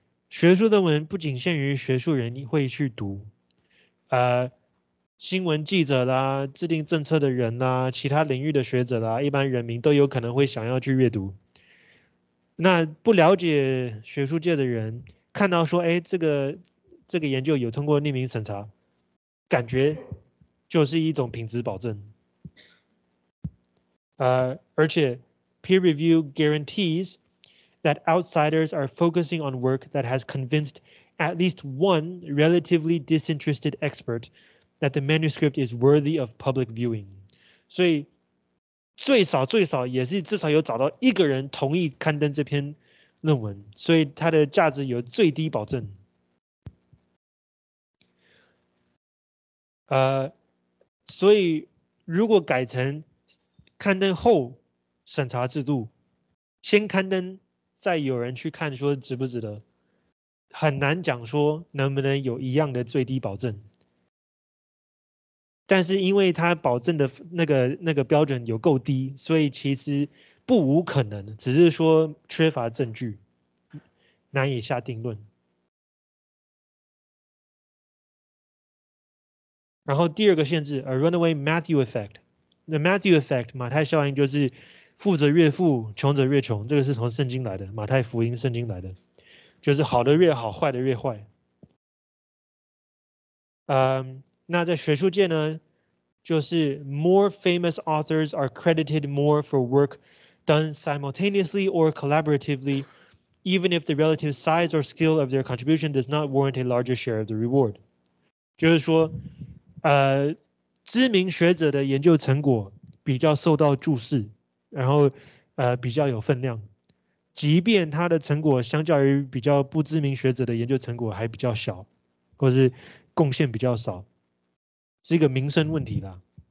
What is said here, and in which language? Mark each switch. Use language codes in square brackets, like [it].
[zh] 学术论文不仅限于学术人会去读，新闻记者啦、制定政策的人啦、其他领域的学者啦、一般人民都有可能会想要去阅读。那不了解学术界的人看到说，哎，这个研究有通过匿名审查，感觉就是一种品质保证。 [en] 而且 peer review guarantees that outsiders are focusing on work that has convinced at least one relatively disinterested expert that the manuscript is worthy of public viewing。 [zh] 所以最少最少也是至少有找到一个人同意刊登这篇论文，所以它的价值有最低保证。所以如果改成刊登后审查制度，先刊登。再有人去看说值不值得，很难讲说能不能有一样的最低保证。但是因为它保证的那个标准有够低，所以其实不无可能，只是说缺乏证据，难以下定论。然后第二个限制， [en] a runaway Matthew effect，the Matthew effect [zh] 马太效应就是。富者越富，穷者越穷，这个是从圣经来的，《马太福音》圣经来的，就是好的越好，坏的越坏。那在学术界呢，就是 [en] more famous authors are credited more for work done simultaneously or collaboratively, even if the relative size or scale of their contribution does not warrant a larger share of the reward。 [zh] 就是说，知名学者的研究成果比较受到重视。然后，比较有分量，即便他的成果相较于比较不知名学者的研究成果还比较小，或是贡献比较少，是一个名声问题啦。